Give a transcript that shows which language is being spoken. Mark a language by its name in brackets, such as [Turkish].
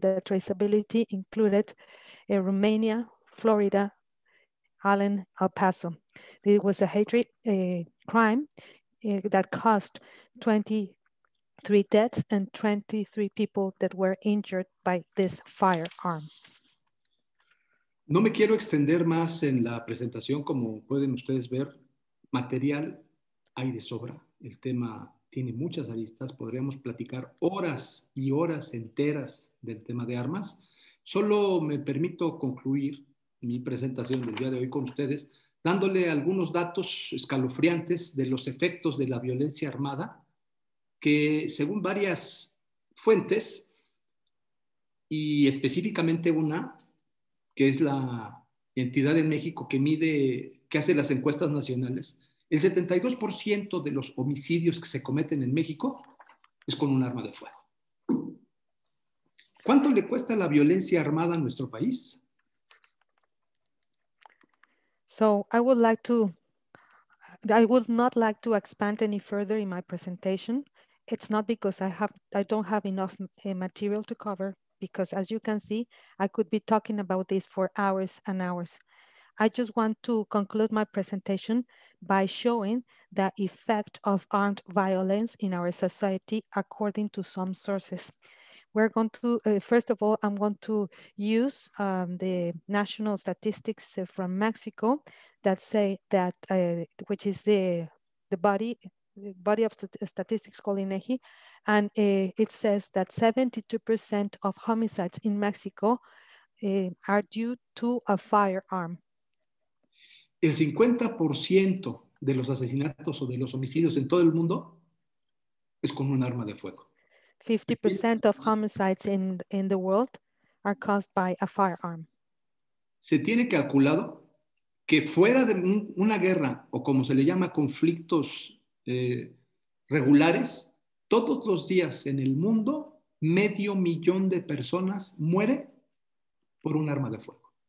[English] The traceability included Romania, Florida, Allen, El Paso. It was a hatred crime that caused 23 deaths and 23 people that were injured by this firearm. [Spanish] No me quiero extender más en la presentación, como pueden ustedes ver, material hay de sobra. El tema tiene muchas aristas, podríamos platicar horas y horas enteras del tema de armas. Solo me permito concluir mi presentación del día de hoy con ustedes, dándole algunos datos escalofriantes de los efectos de la violencia armada, que según varias fuentes, y específicamente una, que es la entidad en México que mide, que hace las encuestas nacionales, el 72% de los homicidios que se cometen en México es con un arma de fuego. ¿Cuánto le cuesta la violencia armada a nuestro país? [English] So I would like to, I would not like to expand any further in my presentation. It's not because I don't have enough material to cover, because as you can see, I could be talking about this for hours and hours. I just want to conclude my presentation by showing the effect of armed violence in our society, according to some sources. We're going to, first of all, I'm going to use the national statistics from Mexico that say that, which is the body of statistics called INEGI, and it says that 72% of homicides in Mexico are due to a firearm. [Spanish] El 50% de los asesinatos o de los homicidios en todo el mundo es con un arma de fuego. [English] 50% of homicides in the world are caused by a firearm. [Spanish] Se tiene calculado que fuera de una guerra, o como se le llama, conflictos regulares, todos los días en el mundo, 500,000 de personas muere por un arma de fuego.